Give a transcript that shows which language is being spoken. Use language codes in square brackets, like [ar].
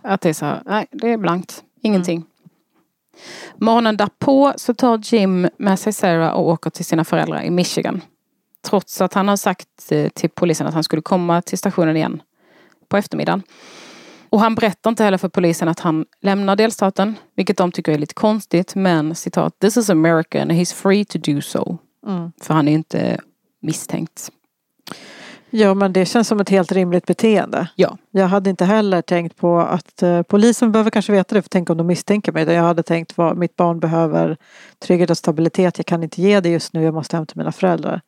[sv] Att det är så här, nej, det är blankt. Ingenting. Mm. Morgonen därpå så tar Jim med sig Sarah och åker till sina föräldrar i Michigan. Trots att han har sagt till polisen att han skulle komma till stationen igen på eftermiddagen. Och han berättar inte heller för polisen att han lämnar delstaten, vilket de tycker är lite konstigt. Men citat, [en] this is America and he's free to do so. Mm. [sv] För han är inte misstänkt. Ja, men det känns som ett helt rimligt beteende. Ja. Jag hade inte heller tänkt på att polisen behöver kanske veta det för tänk om de misstänker mig. Jag hade tänkt att mitt barn behöver trygghet och stabilitet. Jag kan inte ge det just nu. Jag måste hämta mina föräldrar.